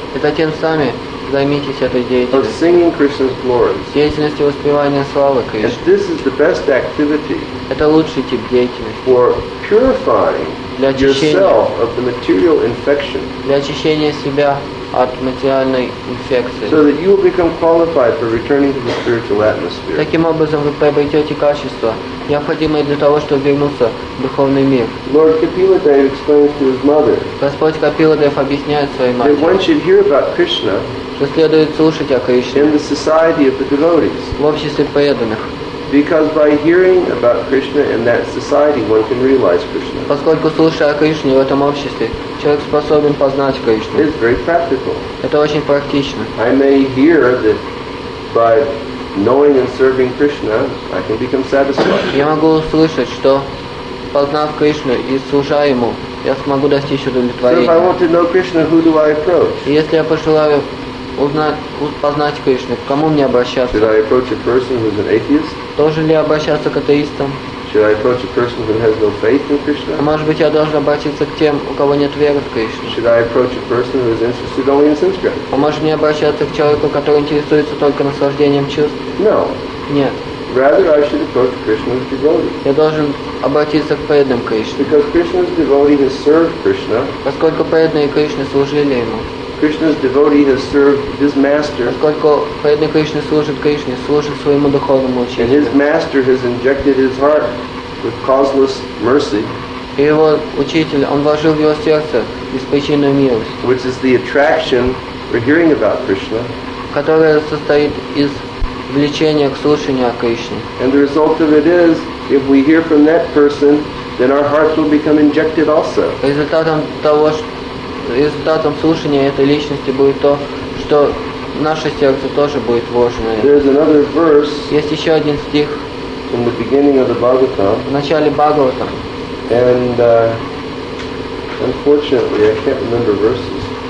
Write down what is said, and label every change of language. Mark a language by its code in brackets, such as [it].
[ru] И затем сами займитесь этой деятельностью. [en] Of singing Krishna's glories. [ru] Деятельностью воспевания славы Кришны. [en] And this is the best activity. [ru] Это лучший тип деятельности. [en] For purifying [ru] для очищения, [en] yourself of the material infection. [ru] Для очищения себя от материальной инфекции. [en] So that you will become qualified for returning to the spiritual atmosphere. [ru] Таким образом вы приобретете качества, необходимые для того, чтобы вернуться в духовный мир. [en] Lord Kapila Dev explains to his mother. [ru] Господь Капила Дев объясняет своей матери. [en] That one should hear about Krishna. [ru] Что следует слушать о Кришне. [en] In the society of the devotees. [ru] В обществе преданных. [en] Because by hearing about Krishna in that society, one can realize Krishna. [ru] Поскольку слушая о Кришне в этом обществе, человек способен познать Кришну. [en] It's very practical. [ru] Это очень практично. [en] I may hear that by knowing and serving Krishna, I can become satisfied. [ru] Я могу услышать, что познав Кришну и служа ему, я смогу достичь удовлетворения. [en] So if I want to know Krishna, who do I approach? [ru] Если я пожелаю познать Кришну, к кому мне обращаться? [en] Should I approach a person who is an atheist? [ru] Должен ли я обращаться к атеистам? [en] Should I approach a person who has no faith in Krishna? [ru] А может быть, я должен обратиться к тем, у кого нет веры в Кришну? [en] Should I approach a person who is interested only in sense gratification? [ru] А может мне обращаться к человеку, который интересуется только наслаждением чувств? [en] No. [ru] Нет. [en] Rather, I should approach Krishna as a devotee. [ru] Я должен обратиться к преданным Кришне. [en] Because Krishna's devotee has served Krishna. [ru] Поскольку преданные Кришне служили ему. [en] Krishna's devotee has served his master. [ru] Поскольку преданный Кришне служит Кришне, служит своему духовному учителю. [en] And his master has injected his heart with causeless mercy. [ru] И его учитель, он вложил в его сердце беспричинную милость. [en] Which is the attraction for hearing about Krishna. [ru] Которая состоит из влечения к слушанию о Кришне. [en] And the result of it is, if we hear from that person, then our hearts will become injected also. [ru] Результатом слушания этой личности будет то, что наше сердце тоже будет вложено. [en] There's another verse. [ru] Есть еще один стих. [en] In the beginning of the Bhagavatam. [ru] В начале Бхагаватам. [en] And unfortunately, I can't remember verses.